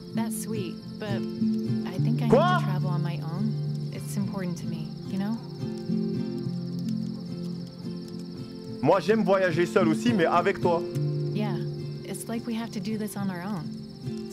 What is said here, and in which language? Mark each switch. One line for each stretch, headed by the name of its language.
English: That's sweet, but I think I need to travel on my own. It's important to me, you know?
French: Moi, j'aime voyager seul aussi, mais avec toi.
English: Yeah, it's like we have to do this on our own.